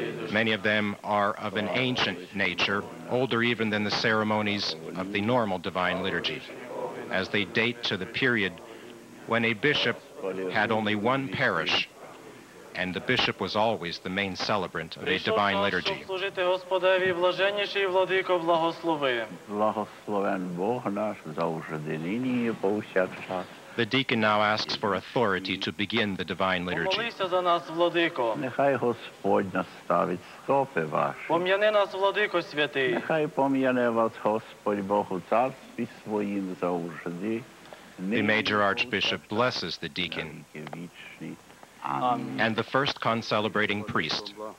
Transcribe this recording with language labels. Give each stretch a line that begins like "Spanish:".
English: Many of them are of an ancient nature, older even than the ceremonies of the normal divine liturgy, as they date to the period when a bishop had only one parish, and the bishop was always the main celebrant of a divine liturgy. The deacon now asks for authority to begin the divine liturgy.
Ukrainian: Нехай Господь наставить стопи ваші. Пом'яни нас, Владико Святий. Нехай пом'яне вас Господь Бог у царстві своїм завжди.
English: The major archbishop blesses the deacon and the first concelebrating priest.